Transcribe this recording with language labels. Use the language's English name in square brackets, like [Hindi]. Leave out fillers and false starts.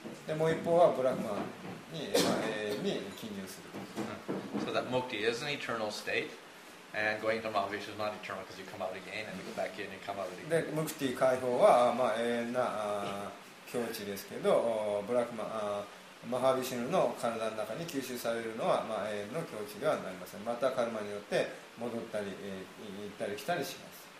[Japanese] でもう一方はブラックマンに永遠に禁入する。 [English] So that mukti is an eternal state. And going to Mahavishnu is not eternal because you come out again and you go back in and come out again. [Japanese] で、ムクティ解放は、まあ、永遠な境地ですけど、ブラクマ、マハビシヌの体の中に吸収されるのは、まあ、永遠の境地ではなりません。またカルマによって戻ったり、行ったり来たりします。